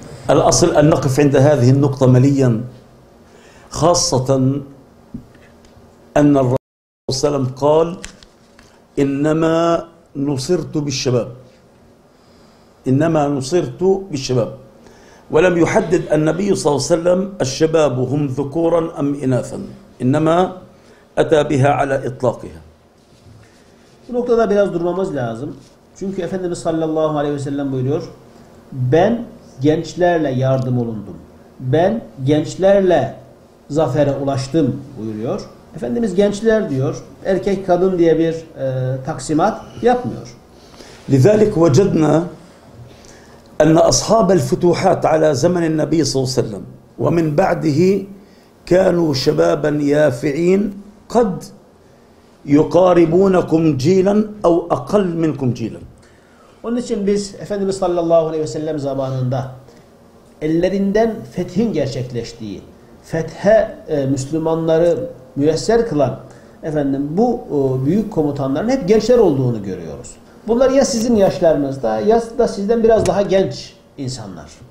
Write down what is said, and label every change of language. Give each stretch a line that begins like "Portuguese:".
Arabic: الأصل أن نقف عند هذه النقطة مليا خاصة أن الرسول صلى الله عليه وسلم قال إنما نصرت بالشباب إنما نصرت بالشباب ولم يحدد النبي صلى الله عليه وسلم الشباب هم ذكورا أم إناثا إنما أتى بها على إطلاقها.
Turkish: Bu noktada biraz durmamız lazım. Çünkü Efendimiz sallallahu aleyhi ve sellem buyuruyor. Ben gençlerle yardım olundum. Ben gençlerle zafere ulaştım buyuruyor. Efendimiz gençler diyor. Erkek kadın diye bir taksimat yapmıyor.
Arabic: لذلك وجدنا أن أصحاب الفتوحات على زمن النبي صلى الله عليه وسلم ومن بعده كانوا شبابا يافعين قد يقاربونكم جيلا أو أقل منكم جيلا.
Turkish: Onun için biz Efendimiz sallallahu aleyhi ve sellem zamanında ellerinden fethin gerçekleştiği, fethe Müslümanları müyesser kılan bu büyük komutanların hep gençler olduğunu görüyoruz. Bunlar ya sizin yaşlarınızda ya da sizden biraz daha genç insanlar.